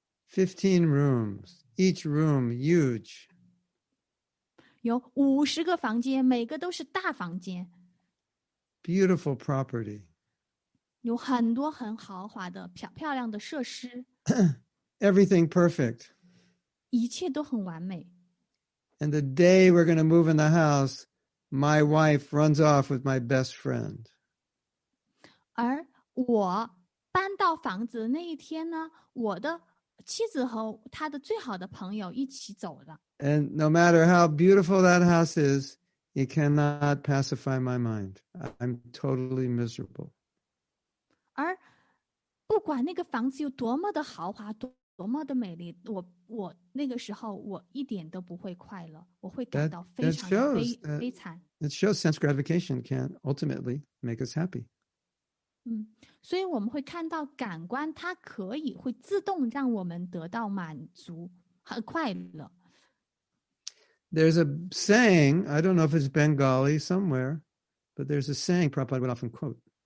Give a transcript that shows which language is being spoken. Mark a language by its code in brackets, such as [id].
[en] 15 rooms, each room huge. [zh] 有五十个房间，每个都是大房间。 [en] Beautiful property. [zh] 有很多很豪华的漂亮的设施。 [en] Everything perfect. [zh] 一切都很完美。 [en] And the day we're going to move in the house, my wife runs off with my best friend. [zh] 而我搬到房子那一天呢，我的妻子和她的最好的朋友一起走了。 [en] And no matter how beautiful that house is, it cannot pacify my mind. I'm totally miserable. [zh] 而不管那个房子有多么的豪华，多么的美丽，我那个时候我一点都不会快乐，我会感到非常悲惨。 [en] It shows sense gratification can ultimately make us happy. [zh] 所以我们会看到感官它可以会自动让我们得到满足和快乐。 [en] There's a saying, I don't know if it's Bengali somewhere, but there's a saying Prabhupada would often quote.